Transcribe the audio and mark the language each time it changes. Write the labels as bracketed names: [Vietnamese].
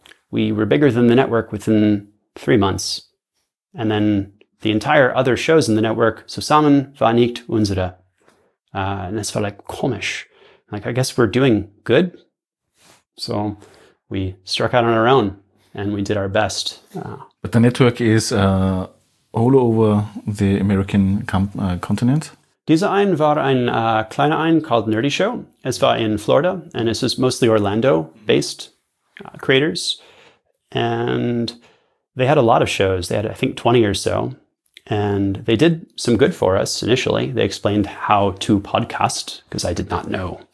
[English] We were bigger than the network within 3 months. And then the entire other shows in the network, [German] zusammen war nicht unsere. [English] And it's felt like [German] komisch. [English] Like, I guess we're doing good. So we struck out on our own and we did our best. But the network is all over the American continent. [German] Dieser ein war ein kleiner ein [English] called Nerdy Show. [German] Es war in Florida [English] and [German] es ist [English] mostly Orlando-based creators. And they had a lot of shows. They had, I think, 20 or so. And they did some good for us initially. They explained how to podcast because I did not know.